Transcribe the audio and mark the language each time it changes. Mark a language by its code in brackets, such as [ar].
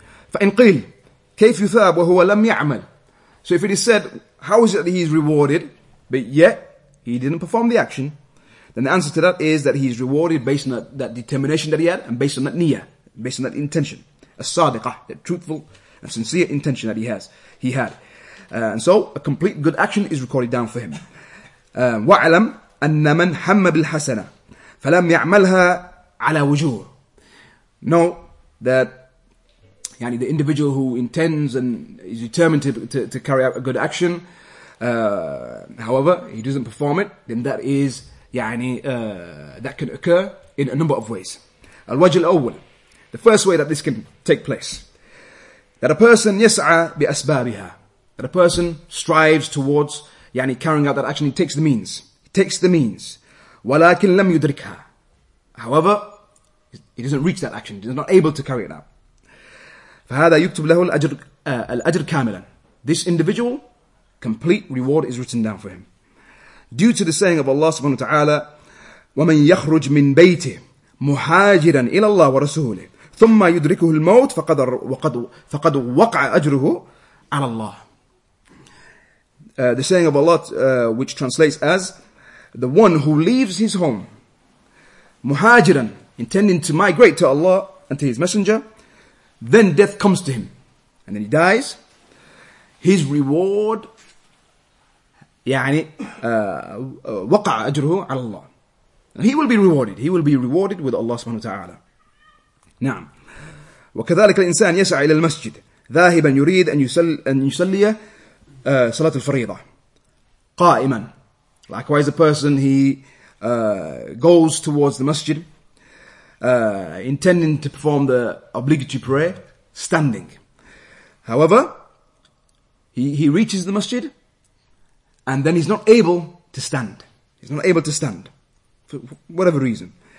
[ar] فإن قيل كيف يثاب وهو لم يعمل. [en] So if it is said, how is it that he is rewarded, but yet he didn't perform the action? Then the answer to that is that he is rewarded based on that determination that he had, and based on that niyyah, based on that intention. As-sadiqah, that truthful and sincere intention that he had. And so a complete good action is recorded down for him. [ar] وَعَلَمْ أَنَّ مَنْ حَمَّ بِالْحَسَنَةِ فَلَمْ يَعْمَلْهَا عَلَى وُجُورِ. [en] Know that yani the individual who intends and is determined to carry out a good action, however, he doesn't perform it, then that is yani, that can occur in a number of ways. [ar] الوجه الأول, [en] the first way that this can take place, that a person [ar] يسعى بأسبابها, [en] that a person strives towards yani carrying out that action, he takes the means. [ar] ولكن لم يدركها, [en] however, he doesn't reach that action, he's not able to carry it out. [ar] فهذا يكتب له الأجر, الأجر كاملا. [en] This individual, complete reward is written down for him. Due to the saying of Allah subhanahu wa ta'ala, [ar] وَمَنْ يَخْرُجْ مِنْ بَيْتِهِ مُحَاجِرًا إِلَى اللَّهِ وَرَسُولِهِ ثُمَّ يُدْرِكُهُ الْمَوْتِ فَقَدْ وَقَعَ أَجْرُهُ عَلَى اللَّهِ. [en] The saying of Allah, which translates as, the one who leaves his home, مُحَاجِرًا, intending to migrate to Allah and to his messenger, then death comes to him, and then he dies. His reward, [ar] يعني, وقع أجره على الله. [en] He will be rewarded. He will be rewarded with Allah subhanahu wa ta'ala. [ar] نعم. وكذلك الإنسان يسعى إلى المسجد ذاهبا يريد أن يصلي صلاة الفريضة قائما. [en] Likewise, a person he goes towards the masjid, intending to perform the obligatory prayer standing. However, he reaches the masjid, and then he's not able to stand for whatever reason.